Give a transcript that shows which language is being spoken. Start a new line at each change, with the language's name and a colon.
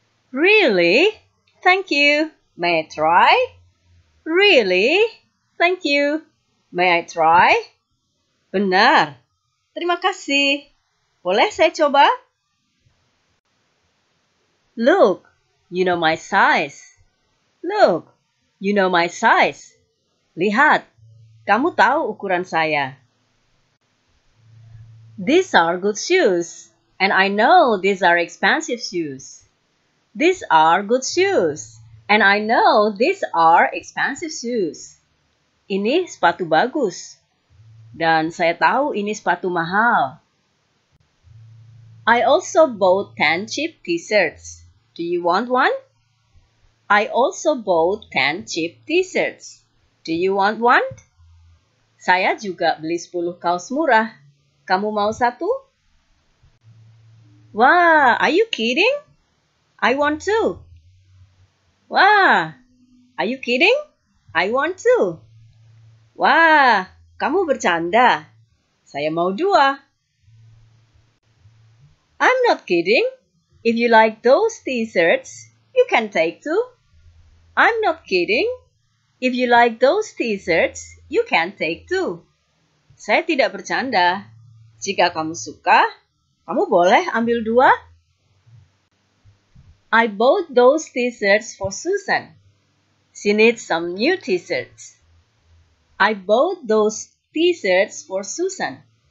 English: Really? Thank you. May I try? Really? Thank you. May I try?
Indonesian: Benar. Terima kasih. Boleh saya coba?
English: Look, you know my size. Look, you know my size.
Indonesian: Lihat, kamu tahu ukuran saya.
English: These are good shoes, and I know these are expensive shoes. These are good shoes, and I know these are expensive shoes.
Indonesian: Ini sepatu bagus, dan saya tahu ini sepatu mahal.
English: I also bought 10 cheap t-shirts. Do you want one? I also bought 10 cheap t-shirts. Do you want one?
Indonesian: Saya juga beli 10 kaos murah. Kamu mau satu?
English: Wah, are you kidding? I want two. Wah, are you kidding? I want two.
Indonesian: Wah, kamu bercanda. Saya mau dua.
English: I'm not kidding. If you like those t-shirts, you can take two. I'm not kidding. If you like those t-shirts, you can take two.
Indonesian: Saya tidak bercanda. Jika kamu suka, kamu boleh ambil dua.
English: I bought those t-shirts for Susan. She needs some new t-shirts. I bought those t-shirts for Susan.